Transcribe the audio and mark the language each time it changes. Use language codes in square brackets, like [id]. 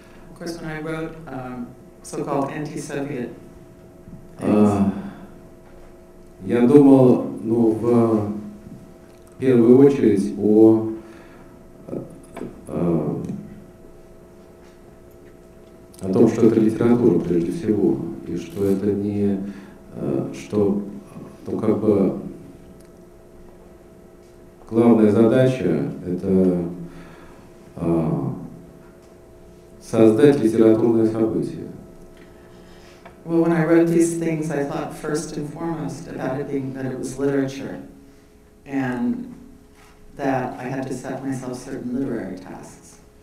[en] Of course, when I wrote so-called anti-Soviet [ru] Я думал, ну, в первую очередь о о том, что это литература прежде всего, и что это не что, ну, как бы, главная задача — это создать литературное событие. [en] Well, when I wrote these things, I thought first and foremost about it being that it was literature, and that I had to set myself certain literary tasks.